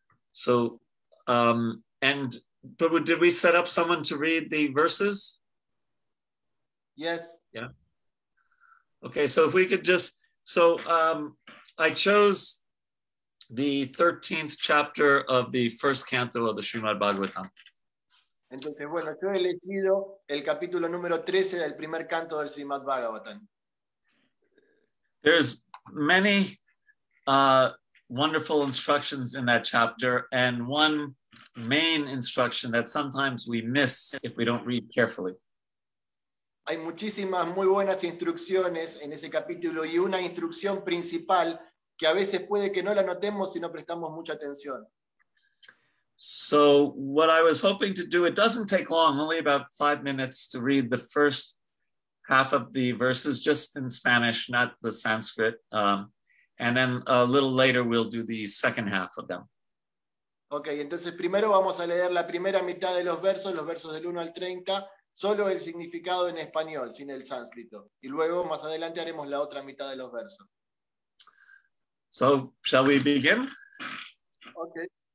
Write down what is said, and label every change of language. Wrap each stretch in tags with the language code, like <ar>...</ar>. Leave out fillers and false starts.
<en>So, and Prabhu, did we set up someone to read the verses? Yes. Yeah. Okay, so if we could just, so, I chose the 13th chapter of the first canto of the Srimad Bhagavatam.</en> <es>Entonces, bueno, yo he elegido el capítulo número 13 del primer canto del Srimad Bhagavatam.</es> <en>There's many wonderful instructions in that chapter, and one main instruction that sometimes we miss if we don't read carefully.</en> <es>Hay muchísimas muy buenas instrucciones en ese capítulo y una instrucción principal que a veces puede que no la notemos si no prestamos mucha atención.</es> <en>So, what I was hoping to do, it doesn't take long, only about 5 minutes to read the first half of the verses, just in Spanish, not the Sanskrit. And then a little later we'll do the second half of them.</en> <es>Okay, entonces primero vamos a leer la primera mitad de los versos del 1 al 30, solo el significado en español, sin el sánscrito. Y luego, más adelante, haremos la otra mitad de los versos.</es> <en>So, shall we begin? Okay.</en>